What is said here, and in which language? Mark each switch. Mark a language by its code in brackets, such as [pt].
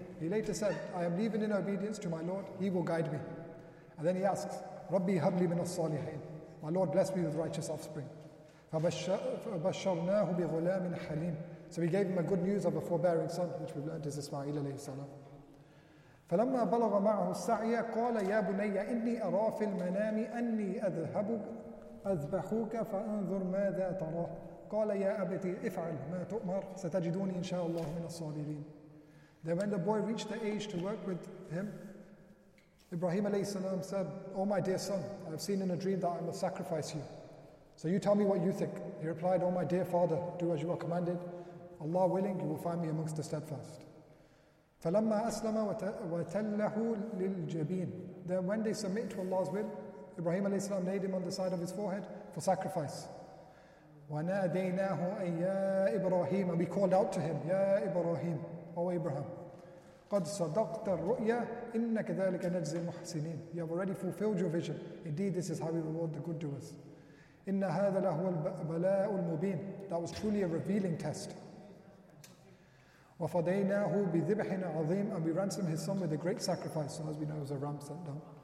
[en] He later said, I am leaving in obedience to my Lord, He will guide me. And then he asks, [ar] رَبِّي هَبْ لِي مِنَ الصَّالِحِينَ. [en] My Lord, bless me with righteous offspring. [ar] فَبَشَّرْنَاهُ بِغُلَامٍ حَلِيمٍ. [en] So we gave him a good news of a forbearing son, which we've learned is Ismail alayhi salam. [ar] فلما بلغ معه السعي قال يا بني إني أرى في المنام أني أذبحك فانظر ماذا ترى قال يا أبتي افعل ما تؤمر ستجدوني إن شاء الله من الصابرين. [en] Then when the boy reached the age to work with him, Ibrahim alayhi salam said, Oh my dear son, I have seen in a dream that I must sacrifice you. So you tell me what you think. He replied, Oh my dear father, do as you are commanded. Allah willing, you will find me amongst the steadfast. [ar] فَلَمَّا أَسْلَمَ وَتَلَّهُ لِلْجَبِينَ. [en] Then when they submit to Allah's will, Ibrahim alayhi salam laid him on the side of his forehead for sacrifice. [ar] وَنَادَيْنَاهُ أَيَّا إِبْرَاهِيمَ. [en] And we called out to him, [ar] يَا إِبْرَاهِيمَ. [en] O Abraham, [ar] قَدْ صَدَقْتَ الرُّؤْيَا إِنَّ كَذَلِكَ نَجْزِي الْمُحْسِنِينَ. [en] You have already fulfilled your vision. Indeed, this is how we reward the good doers. [ar] إِنَّ هَذَا لَهُوَ الْبَلَاءُ الْمُبِينَ. [en] That was truly a revealing test. [ar] وَفَدَيْنَاهُ بِذِبْحٍ عَظِيمٍ. [en] And we ransomed his son with a great sacrifice. So as we know, it was a ram sent down.